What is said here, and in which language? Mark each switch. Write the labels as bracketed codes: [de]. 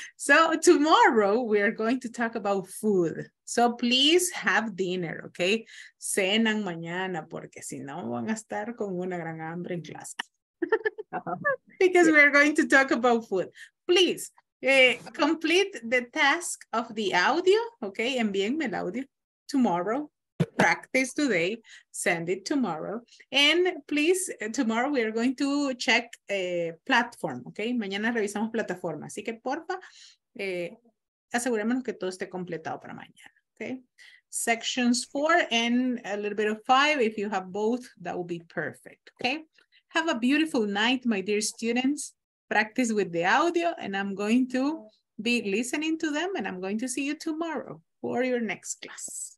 [en] So tomorrow we are going to talk about food. So please have dinner, okay? [es] Cenan mañana, porque si no van a estar con una gran hambre en clase. [en] Because we are going to talk about food. Please, complete the task of the audio, okay? [es] Envíenme el audio [en] tomorrow. Practice today, send it tomorrow. And please, tomorrow we are going to check platform, okay? [es] Mañana revisamos plataforma. Así que porfa, asegurémonos que todo esté completado para mañana, okay? [en] Sections 4 and a little bit of 5. If you have both, that will be perfect, okay? Have a beautiful night, my dear students. Practice with the audio, and I'm going to be listening to them, and I'm going to see you tomorrow for your next class.